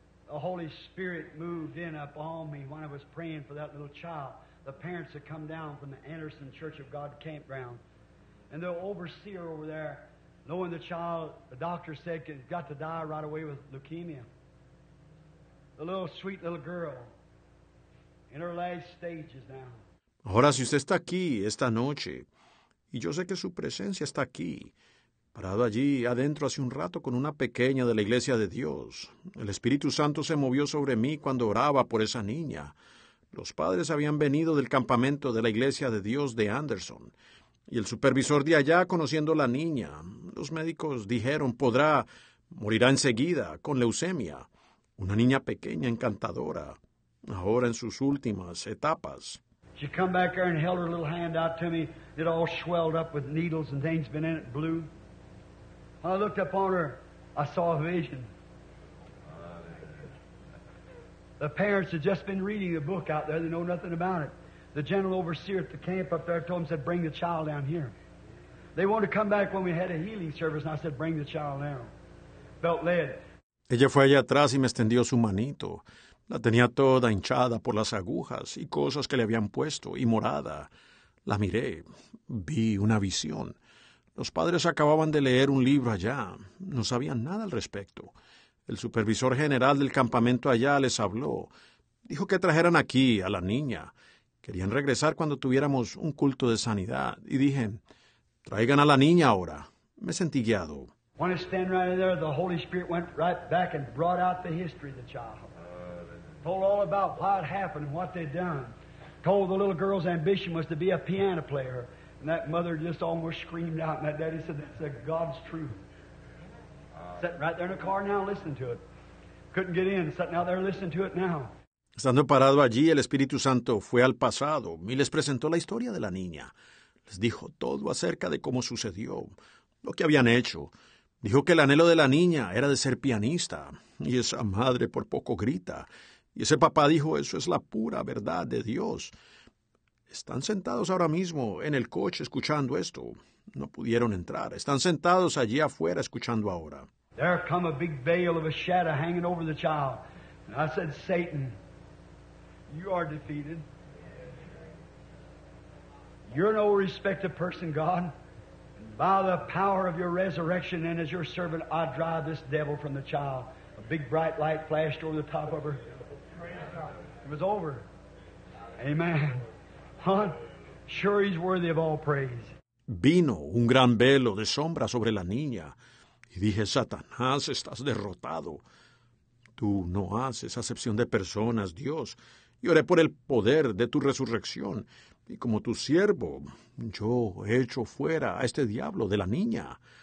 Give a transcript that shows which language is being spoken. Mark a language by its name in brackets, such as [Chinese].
[English] The Holy Spirit moved in upon me when I was praying for that little child. The parents had come down from the Anderson Church of God campground. And the overseer over there, knowing the child, the doctor said, got to die right away with leukemia. The little sweet little girl, in her last stages now. [Spanish] Ahora, si usted está aquí esta noche, y yo sé que su presencia está aquí, parado allí adentro hace un rato con una pequeña de la Iglesia de Dios. El Espíritu Santo se movió sobre mí cuando oraba por esa niña. Los padres habían venido del campamento de la Iglesia de Dios de Anderson. Y el supervisor de allá, conociendo la niña, los médicos dijeron, morirá enseguida con leucemia. Una niña pequeña, encantadora, ahora en sus últimas etapas. She come back there and held her little hand out to me. It all swelled up with needles and things been in it blue. When I looked upon her, I saw a vision. The parents had just been reading a book out there. They know nothing about it. The general overseer at the camp up there told them, said, bring the child down here. They wanted to come back when we had a healing service, and I said, bring the child down. Felt led. Ella fue allá atrás y me extendió su manito. La tenía toda hinchada por las agujas y cosas que le habían puesto, y morada. La miré. Vi una visión. Los padres acababan de leer un libro allá. No sabían nada al respecto. El supervisor general del campamento allá les habló. Dijo que trajeran aquí a la niña. Querían regresar cuando tuviéramos un culto de sanidad. Y dije, traigan a la niña ahora. Me sentí guiado. Cuando estaba [English] right there, the Holy Spirit went right back and brought out the history of the child. Told all about why it happened and what they'd done. Told the little girl's ambition was to be a piano player. And that mother just almost screamed out. And that daddy said, that's a God's truth. Sitting right there in the car now, listening to it. Couldn't get in. Sitting out there listening to it now. [Spanish] Estando parado allí, el Espíritu Santo fue al pasado y les presentó la historia de la niña. Les dijo todo acerca de cómo sucedió, lo que habían hecho. Dijo que el anhelo de la niña era de ser pianista. Y esa madre por poco grita. Y ese papá dijo, eso es la pura verdad de Dios. Están sentados ahora mismo en el coche escuchando esto. No pudieron entrar. Están sentados allí afuera escuchando ahora. [English] There come a big veil of a shadow hanging over the child. And I said, Satan, you are defeated. You're no respected person, God. And by the power of your resurrection and as your servant, I drive this devil from the child. A big bright light flashed over the top of her. It was over. Amen. Huh? Sure, he's worthy of all praise. [Spanish] Vino un gran velo de sombra sobre la niña. Y dije, Satanás, estás derrotado. Tú no haces acepción de personas, Dios. Y oré por el poder de tu resurrección. Y como tu siervo, yo echo fuera a este diablo de la niña.